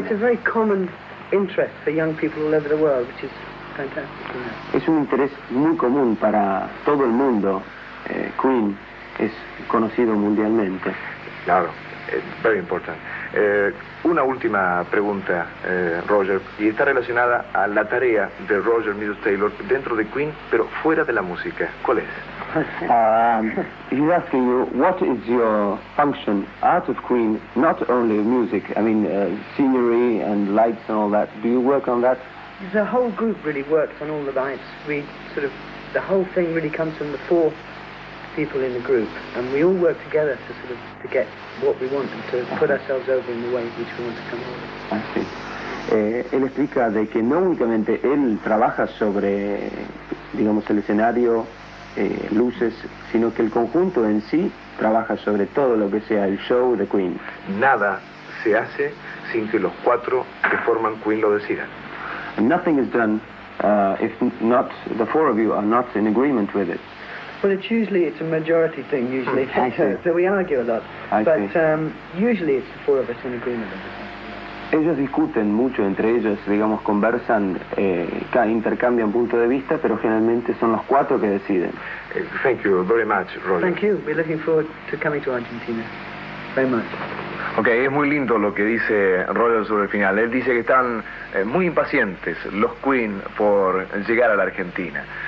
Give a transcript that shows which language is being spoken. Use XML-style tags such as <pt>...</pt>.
<en>It's a very common interest for young people all over the world, which is fantastic.</en> <es>Es un interés muy común para todo el mundo. Queen es conocido mundialmente. Claro,</es> <en>very important.</en> <es>Una última pregunta, Roger, y está relacionada a la tarea de Roger Mills Taylor dentro de Queen, pero fuera de la música. ¿Cuál es?</es> <en>He's asking you, what is your function out of Queen, not only music, I mean, scenery and lights and all that. Do you work on that? The whole group really works on all the lights. We sort of, the whole thing really comes from the four people in the group, and we all work together to sort of to get what we want and to put ourselves over in the way in which we want to come over.</en> <es>Así. Él explica de que no únicamente él trabaja sobre, digamos, el escenario, luces, sino que el conjunto en sí trabaja sobre todo lo que sea el show de Queen. Nada se hace sin que los cuatro que forman Queen lo decidan.</es> <en>Nothing is done if not the four of you are not in agreement with it. Well, it's a majority thing, usually. So we argue a lot. Usually it's the four of us in agreement with it.</en> <es>Ellos discuten mucho entre ellos, digamos, conversan, intercambian punto de vista, pero generalmente son los cuatro que deciden.</es> <en>Thank you very much, Roger. Thank you. We're looking forward to coming to Argentina. Very much.</en> <es>Ok, es muy lindo lo que dice Roger sobre el final. Él dice que están muy impacientes los Queen por llegar a la Argentina.</es>